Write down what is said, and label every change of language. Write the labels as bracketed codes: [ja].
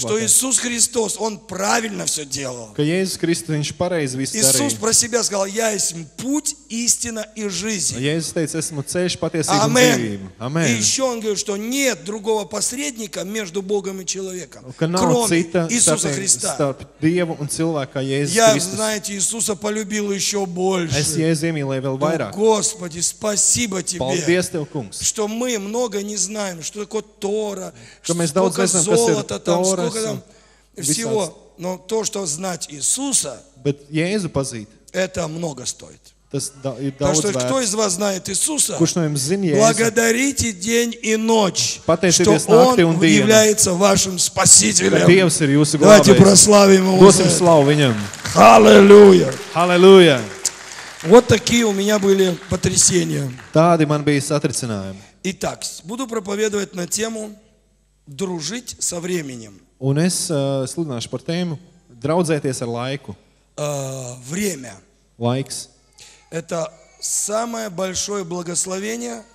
[ru] Что Иисус Христос, Он правильно все делал. [lv] Ka Jēzus Kristus, Viņš pareizi visu darīja. [ru] Иисус про себя сказал, я есть путь, истина и жизнь. [lv] Jēzus teica, esmu ceļš, patiesība un dzīvība. Amen. [ru] И еще Он говорит, что нет другого посредника между Богом и человеком, кроме Иисуса Христа. [lv] Starp Dievu un cilvēka, Jēzus [ru] Kristus. Я, знаете, Иисуса полюбил еще больше. [lv] Es Jēzu iemīlēju vēl vairāk. [ru] Господи, спасибо тебе. [lv] Tev, kungs. [ru] Что мы много не знаем, что такое Тора, что мы сколько знаем, золота там, Торас сколько там всего. [lv] Visāds. [ru] Но то, что знать Иисуса, [lv] bet Jēzu pazīt, [ru] это много стоит. [lv] Tas daudz [ru] так что, кто из вас знает Иисуса, [lv] kurš no jums zin Jēzu, [ru] благодарите день и ночь, что Он [lv] un [ru] является вашим спасителем. [lv] Dievs ir jūsu [ru] glābējs. Давайте прославим Его. [lv] Dosim slavu Viņam. Halleluja. Halleluja. [ru] Вот такие у меня были потрясения. [lv] Tādi man bija satricinājumi. [ru] Итак, буду проповедовать на тему дружить со временем. [lv] Un es sludināšu par tēmu draudzēties ar laiku. [ru] Время. [lv] Laiks. [ru] Это самое большое благословение.